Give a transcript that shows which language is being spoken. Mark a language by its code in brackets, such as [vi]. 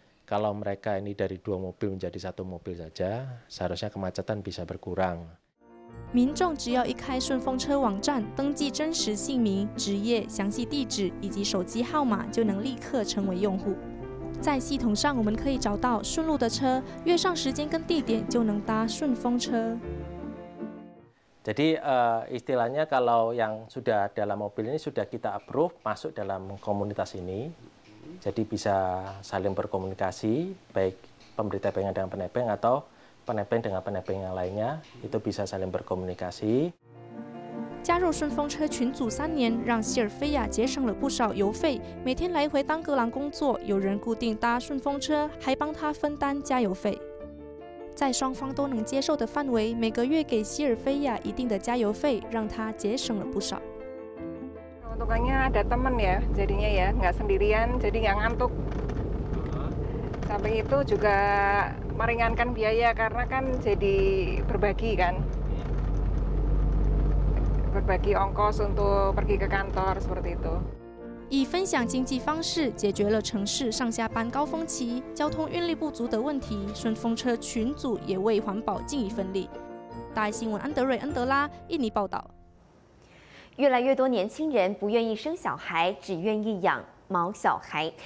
[id] Kalau mereka ini dari 2 mobil menjadi 1 mobil saja, seharusnya kemacetan bisa berkurang. [zh] 民众只要一开顺风车网站，登记真实姓名、职业、详细地址以及手机号码，就能立刻成为用户。在系统上，我们可以找到顺路的车，约上时间跟地点就能搭顺风车。 [id] Jadi istilahnya kalau yang sudah dalam mobil ini sudah kita approve masuk dalam komunitas ini, jadi bisa saling berkomunikasi baik pemberi tepeng dengan penepeng atau penepeng dengan penepeng yang lainnya itu bisa saling berkomunikasi。 [zh] 加入顺风车群组3年，让希尔菲亚节省了不少油费。每天来回当格朗工作，有人固定搭顺风车，还帮他分担加油费。在双方都能接受的范围，每个月给希尔菲亚一定的加油费，让他节省了不少。 [id] Untungnya ada teman ya, jadinya ya nggak sendirian, jadi nggak ngantuk. Samping itu juga meringankan biaya karena kan jadi berbagi kan. berbagi ongkos untuk pergi ke kantor seperti itu. [zh] 以分享经济方式解决了城市上下班高峰期交通运力不足的问题，顺风车群组也为环保尽一份力。大爱新闻安德瑞安德拉，印尼报道。越来越多年轻人不愿意生小孩，只愿意养毛小孩。